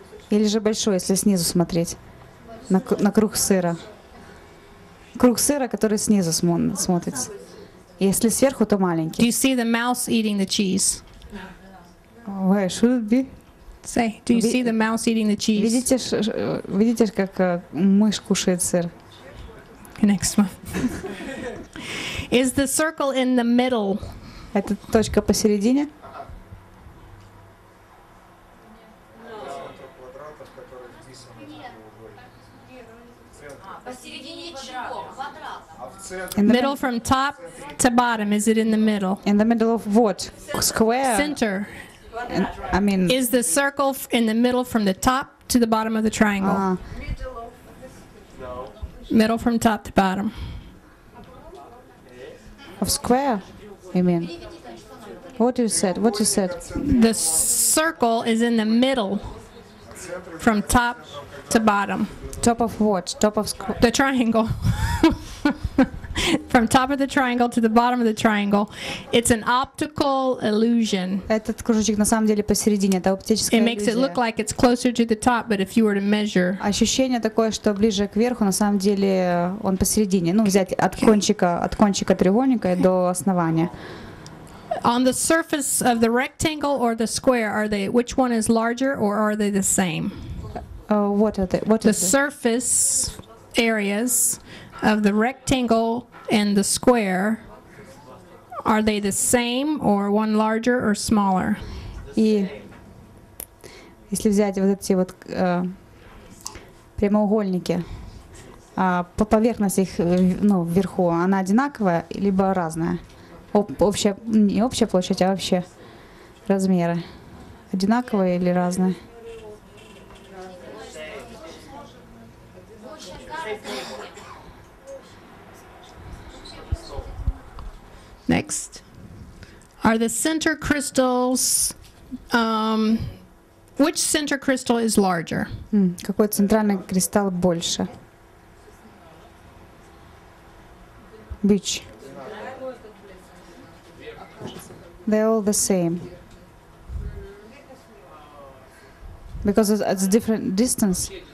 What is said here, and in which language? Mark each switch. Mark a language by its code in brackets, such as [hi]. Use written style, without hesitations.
[ru] Или же большой, если снизу смотреть. На круг сыра. Круг сыра, который снизу смотрится. Если сверху, то маленький. [en] Do you see the mouse eating the cheese? Where should it be? Say, do you see the mouse eating the cheese? [ru] Видите, как мышь кушает сыр? [en] Next one. Is the circle in the middle? [ru] Это точка посередине? [en] Middle from top to bottom, is it in the middle? In the middle of what? Square? Center. I mean, is the circle in the middle from the top to the bottom of the triangle? Middle from top to bottom. Of square, you mean? What you said? The circle is in the middle from top to bottom. Top of what? Top of square? The triangle. From top of the triangle to the bottom of the triangle. It's an optical illusion. [ru] Этот кружочек на самом деле посередине, это оптическая иллюзия. [en] It makes it look like it's closer to the top, but if you were to measure. [ru] Ощущение такое, что ближе к верху, на самом деле он посередине. Ну, взять от кончика треугольника до основания. [en] On the surface of the rectangle or the square, which one is larger or are they the same? What is the surface areas of the rectangle and the square, are they the same or one larger or smaller? [ru] И если взять вот эти вот прямоугольники, по поверхности их, ну, вверху, она одинаковая либо разная? Общая, не общая площадь, а вообще размеры. Одинаковые или разные? [en] Next. Are the center crystals, which center crystal is larger? [ru] Какой центральный кристалл больше? [en] Which? They're all the same. Because it's a different distance.